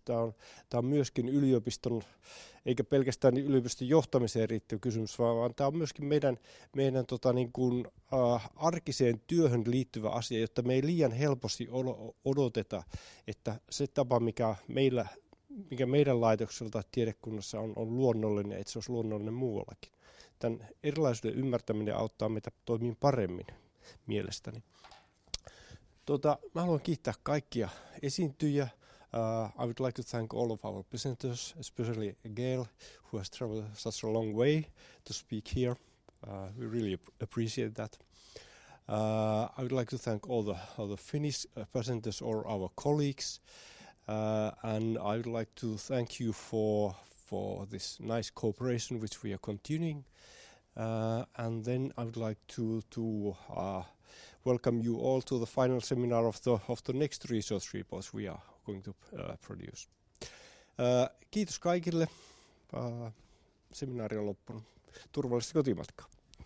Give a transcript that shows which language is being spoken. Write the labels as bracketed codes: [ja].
[fi] Tämä on myöskin yliopiston, eikä pelkästään yliopiston johtamiseen liittyvä kysymys, vaan tämä on myöskin meidän niin kuin, arkiseen työhön liittyvä asia, jotta me ei liian helposti odoteta, että se tapa, mikä meidän laitokselta tiedekunnassa on luonnollinen, että se olisi luonnollinen muuallakin. Tämän erilaisuuden ymmärtäminen auttaa meitä toimiin paremmin mielestäni. Mä haluan kiittää kaikkia esiintyjiä. [en] I would like to thank all of our presenters, especially Gail, who has traveled such a long way to speak here. We really appreciate that. I would like to thank all the Finnish presenters or our colleagues. And I would like to thank you for this nice cooperation which we are continuing. And then I would like to welcome you all to the final seminar of the next research report we are going to produce. [fi] Kiitos kaikille. Seminaari on loppunut. Turvallista kotimatkaa.